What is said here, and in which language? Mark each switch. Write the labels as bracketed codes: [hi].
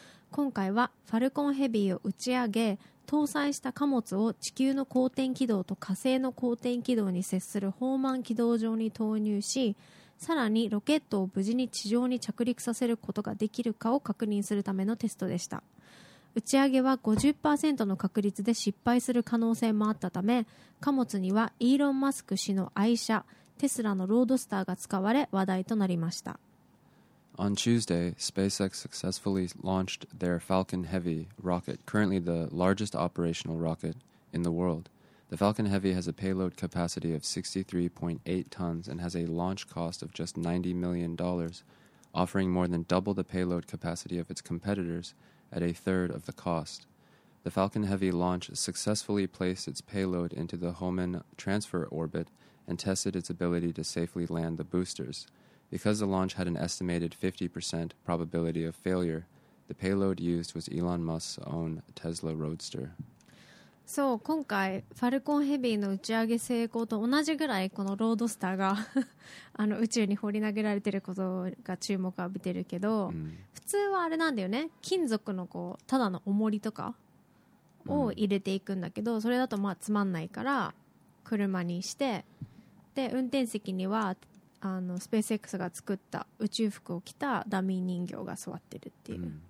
[ja] 今回はファルコンヘビーを打ち上げ、搭載した貨物を地球の公転軌道と火星の公転軌道に接するホーマン軌道上に投入し、さらにロケットを無事に地上に着陸させることができるかを確認するためのテストでした。打ち上げは 50% の確率で失敗する可能性もあったため、貨物にはイーロン・マスク氏の愛車テスラのロードスターが使われ話題となりました。 [en] On Tuesday, SpaceX successfully launched their Falcon Heavy rocket, currently the largest operational rocket in the world. The Falcon Heavy has a payload capacity of 63.8 tons and has a launch cost of just $90 million, offering more than double the payload capacity of its competitors at a third of the cost. The Falcon Heavy launch successfully placed its payload into the Hohmann transfer orbit and tested its ability to safely land the boosters. Because the launch had an estimated 50% probability of failure, the payload used was Elon Musk's own Tesla Roadster. [ja] そう、今回ファルコンヘビーの打ち上げ成功と同じぐらいこのロードスターがあの宇宙に放り投げられてることが注目を浴びてるけど、うん、普通はあれなんだよね、金属のこうただの重りとかを入れていくんだけど、うん、それだとまあつまんないから車にして、で運転席にはあのスペース X が作った宇宙服を着たダミー人形が座ってるっていう、う